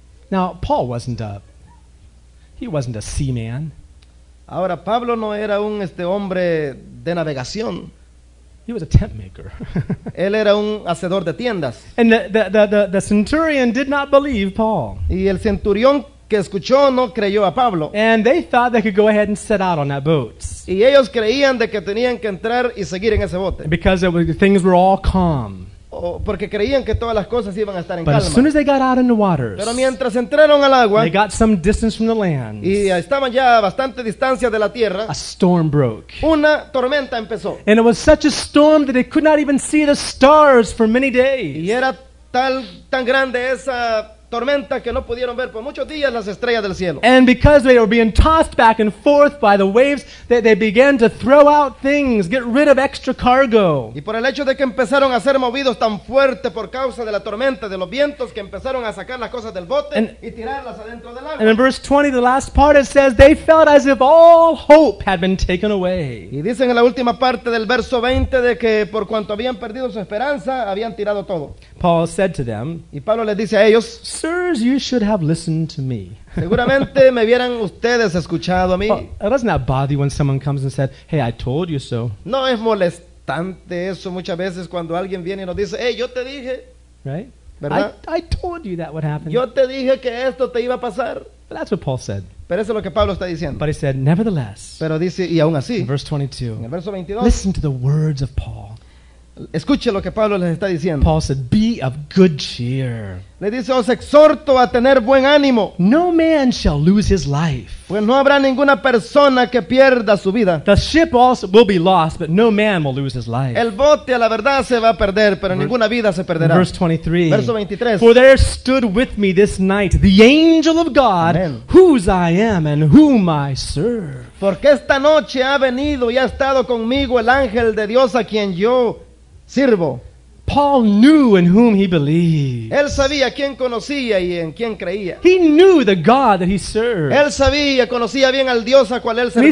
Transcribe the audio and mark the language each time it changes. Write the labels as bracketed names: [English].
[English] Now, Paul wasn't a seaman. [Spanish] Ahora, Pablo no era un hombre de navegación. [English] He was a tent maker. [Spanish] Él era un hacedor de tiendas. [English] And the centurion did not believe Paul. [Spanish] Y el centurión que escuchó no creyó a Pablo. [English] And they thought they could go ahead and set out on that boat. [Spanish] Y ellos creían de que tenían que entrar y seguir en ese bote. [English] Because things were all calm. [Spanish] Porque creían que todas las cosas iban a estar en [English] but [Spanish] calma. [English] As soon as they got out in the waters, [Spanish] pero mientras entraron al agua, [English] they got some distance from the land, [Spanish] y estaban ya a bastante distancia de la tierra, [English] a storm broke. [Spanish] Una tormenta empezó. [English] And it was such a storm that they could not even see the stars for many days. [Spanish] Y era tan grande esa tormenta que no pudieron ver por muchos días las estrellas del cielo. [English] And because they were being tossed back and forth by the waves, they began to throw out things, get rid of extra cargo. [Spanish] Y por el hecho de que empezaron a ser movidos tan fuerte por causa de la tormenta, de los vientos, que empezaron a sacar las cosas del bote [English] and, [Spanish] y tirarlas adentro del agua. [English] And in verse 20, the last part, it says they felt as if all hope had been taken away. [Spanish] Y dicen en la última parte del verso 20 de que por cuanto habían perdido su esperanza, habían tirado todo. [English] Paul said to them, [Spanish] y Pablo les dice a ellos, [English] sirs, you should have listened to me. [Spanish] Seguramente me hubieran ustedes escuchado a mí. [English] It doesn't that bother you when someone comes and said, hey, I told you so. [Spanish] No es molestante eso muchas veces cuando alguien viene y nos dice, hey, yo te dije. [English] Right? [Spanish] ¿Verdad? [English] I told you that would happen. [Spanish] Yo te dije que esto te iba a pasar. [English] But that's what Paul said. [Spanish] Pero eso es lo que Pablo está diciendo. [English] But he said, nevertheless. [Spanish] Pero dice, y aún así. [English] In verse 22. [Spanish] En el verso 22. [English] Listen to the words of Paul. [Spanish] Escuche lo que Pablo les está diciendo. [English] Paul said, be of good cheer. [Spanish] Le dice, os exhorto a tener buen ánimo. [English] No man shall lose his life. [Spanish] Pues no habrá ninguna persona que pierda su vida. [English] The ship also will be lost, but no man will lose his life. [Spanish] El bote a la verdad se va a perder, pero ninguna vida se perderá. [English] Verse 23. [Spanish] Verso 23. [English] For there stood with me this night the angel of God, amen, whose I am and whom I serve. [Spanish] Porque esta noche ha venido y ha estado conmigo el ángel de Dios a quien yo sirvo. [English] Paul knew in whom he believed. [Spanish] Él sabía quién conocía y en quién creía. [English] He knew the God that he served. [Spanish] Él sabía, conocía bien al Dios a cual él servía.